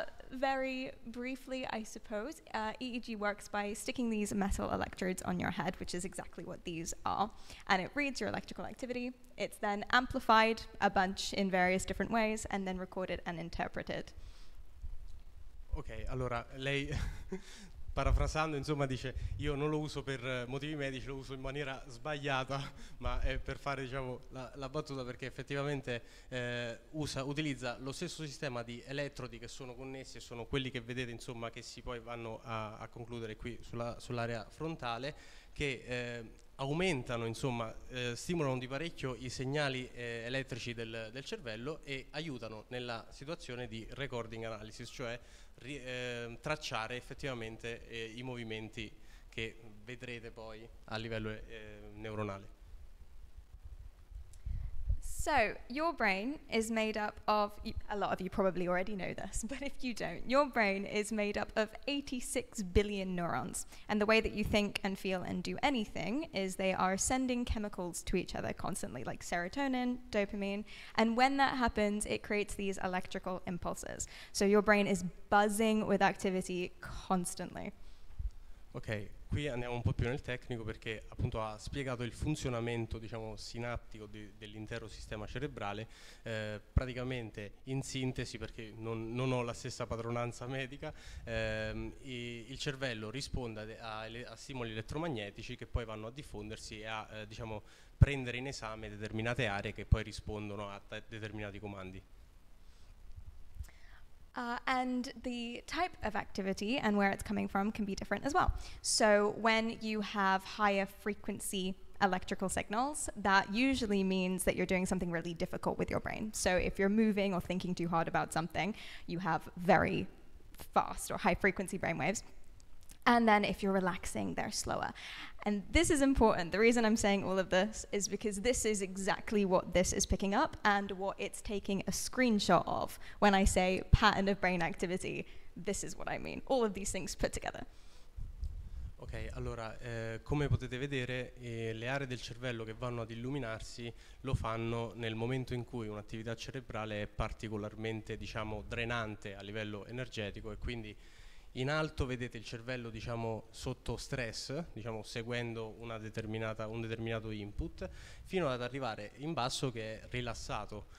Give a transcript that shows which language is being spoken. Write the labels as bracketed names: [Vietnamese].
[English] Very briefly, I suppose, EEG works by sticking these metal electrodes on your head, which is exactly what these are, and it reads your electrical activity. It's then amplified a bunch in various different ways and then recorded and interpreted. [Italian] Ok, allora, lei, parafrasando, insomma, dice io non lo uso per motivi medici, lo uso in maniera sbagliata, ma è per fare, diciamo, la battuta, perché effettivamente utilizza lo stesso sistema di elettrodi che sono connessi e sono quelli che vedete, insomma, che si poi vanno a concludere qui sull'area frontale, che aumentano, insomma, stimolano di parecchio i segnali elettrici del cervello e aiutano nella situazione di recording analysis, cioè tracciare effettivamente i movimenti che vedrete poi a livello neuronale. [English] So, your brain is made up of, a lot of you probably already know this, but if you don't, your brain is made up of 86 billion neurons. And the way that you think and feel and do anything is they are sending chemicals to each other constantly, like serotonin, dopamine. And when that happens, it creates these electrical impulses. So your brain is buzzing with activity constantly. Okay. [Italian] Qui andiamo un po' più nel tecnico, perché appunto ha spiegato il funzionamento, diciamo, sinaptico dell'intero sistema cerebrale, praticamente in sintesi, perché non ho la stessa padronanza medica, il cervello risponde a stimoli elettromagnetici che poi vanno a diffondersi e a diciamo, prendere in esame determinate aree che poi rispondono a determinati comandi. [English] And the type of activity and where it's coming from can be different as well. So when you have higher frequency electrical signals, that usually means that you're doing something really difficult with your brain. So if you're moving or thinking too hard about something, you have very fast or high frequency brain waves. And then if you're relaxing, they're slower. And this is important. The reason I'm saying all of this is because this is exactly what this is picking up and what it's taking a screenshot of. When I say pattern of brain activity, this is what I mean. All of these things put together. [Italian] Ok, allora, come potete vedere, le aree del cervello che vanno ad illuminarsi lo fanno nel momento in cui un'attività cerebrale è particolarmente, diciamo, drenante a livello energetico, e quindi in alto vedete il cervello, diciamo, sotto stress, diciamo, seguendo un determinato input, fino ad arrivare in basso che è rilassato.